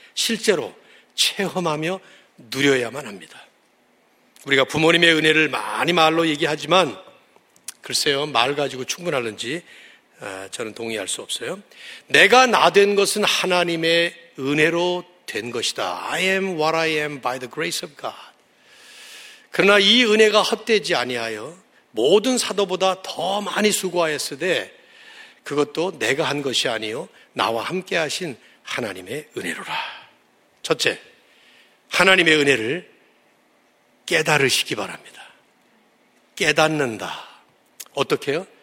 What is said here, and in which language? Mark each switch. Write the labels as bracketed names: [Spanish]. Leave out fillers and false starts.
[Korean] 실제로 체험하며 누려야만 합니다. 우리가 부모님의 은혜를 많이 말로 얘기하지만 글쎄요 말 가지고 충분하는지 저는 동의할 수 없어요. 내가 나된 것은 하나님의 은혜로 된 것이다. [English] I am what I am by the grace of God. [Korean] 그러나 이 은혜가 헛되지 아니하여 모든 사도보다 더 많이 수고하였으되 그것도 내가 한 것이 아니요 나와 함께 하신 하나님의 은혜로라. 첫째, 하나님의 은혜를 깨달으시기 바랍니다. 깨닫는다. 어떻게요?